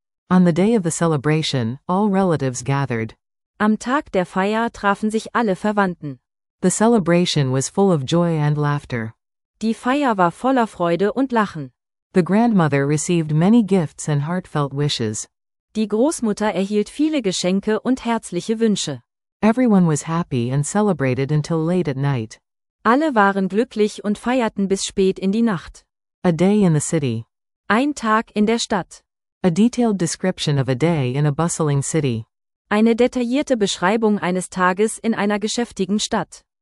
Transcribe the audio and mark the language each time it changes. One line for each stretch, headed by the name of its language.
English: On the day of the celebration, all relatives gathered.
German: Am Tag der Feier trafen sich alle Verwandten.
English: The celebration was full of joy and laughter.
German: Die Feier war voller Freude und Lachen.
English: The grandmother received many gifts and heartfelt wishes.
German: Die Großmutter erhielt viele Geschenke und herzliche Wünsche.
English: Everyone was happy and celebrated until late at night.
German: Alle waren glücklich und feierten bis spät in die Nacht.
English: A day in the city.
German: Ein Tag in der Stadt.
English: A detailed description of a day in a bustling city.
German: Eine detaillierte Beschreibung eines Tages in einer geschäftigen Stadt.